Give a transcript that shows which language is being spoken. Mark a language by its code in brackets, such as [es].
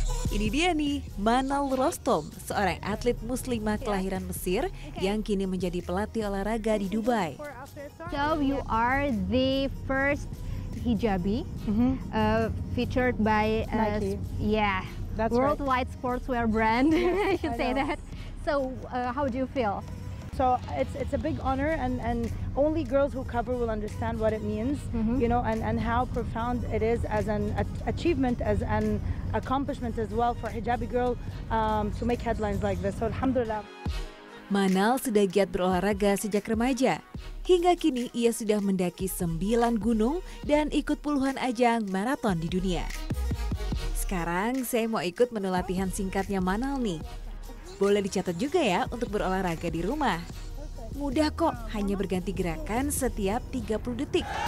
[id] Ini dia nih, Manal Rostom, seorang atlet muslimah kelahiran Mesir yang kini menjadi pelatih olahraga di Dubai. [en] So, you are the first hijabi, featured by Nike. Yeah, that's worldwide right. Sportswear brand, yes, you say that. So, how do you feel? So it's a big honor, and only girls who cover will understand what it means, mm-hmm. you know, and how profound it is as an achievement, as an accomplishment as well for a hijabi girl to make headlines like this. So alhamdulillah. [id] Manal sudah giat berolahraga sejak remaja. Hingga kini ia sudah mendaki 9 gunung dan ikut puluhan ajang maraton di dunia. Sekarang saya mau ikut menu latihan singkatnya Manal nih. Boleh dicatat juga ya untuk berolahraga di rumah. Mudah kok, hanya berganti gerakan setiap 30 detik.